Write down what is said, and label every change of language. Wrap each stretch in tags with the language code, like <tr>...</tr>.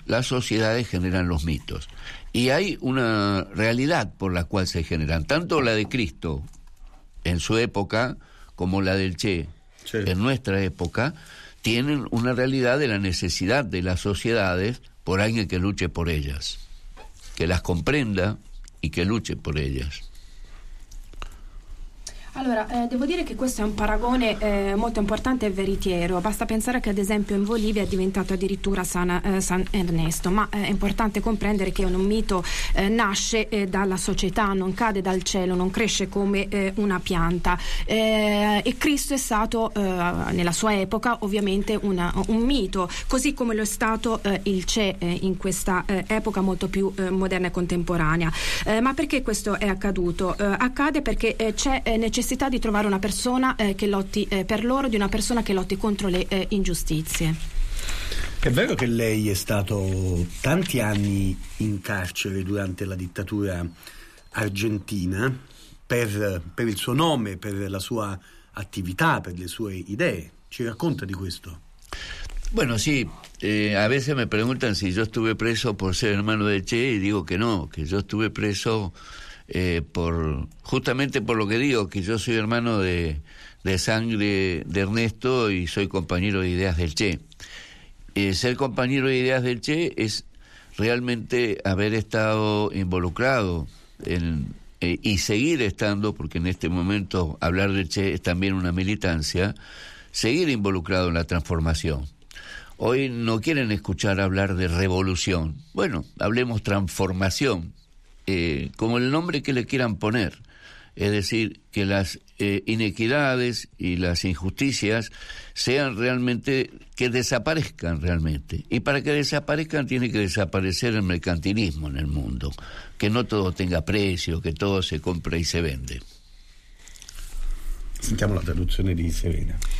<es>Las sociedades generan los mitos y hay una realidad por la cual se generan, tanto la de Cristo en su época como la del Che en nuestra época, tienen una realidad de la necesidad de las sociedades por alguien que luche por ellas, que las comprenda y que luche por ellas.</es> <it>Allora, devo dire che questo è un paragone molto importante e veritiero. Basta pensare che ad esempio in Bolivia è diventato addirittura San Ernesto, ma è importante comprendere che un mito nasce dalla società, non cade dal cielo, non cresce come una pianta. E Cristo è stato nella sua epoca ovviamente un mito, così come lo è stato il Che in questa epoca molto più moderna e contemporanea. Ma perché questo è accaduto? Accade perché c'è necessità di trovare una persona che lotti per loro, di una persona che lotti contro le ingiustizie. È vero che lei è stato tanti anni in carcere durante la dittatura argentina per il suo nome, per la sua attività, per le sue idee. Ci racconta di questo?</it> <es>Bueno, sí, a veces me preguntan si yo estuve preso por ser hermano de Che y digo que no, que yo estuve preso por justamente por lo que digo, que yo soy hermano de sangre de Ernesto y soy compañero de ideas del Che. Ser compañero de ideas del Che es realmente haber estado involucrado en y seguir estando, porque en este momento hablar del Che es también una militancia, seguir involucrado en la transformación. Hoy no quieren escuchar hablar de revolución. Bueno, hablemos transformación, como el nombre que le quieran poner. Es decir, que las inequidades y las injusticias sean realmente, que desaparezcan realmente. Y para que desaparezcan tiene que desaparecer el mercantilismo en el mundo. Que no todo tenga precio, que todo se compra y se vende.</es> <it>Sentiamo la traduzione di Serena.</it>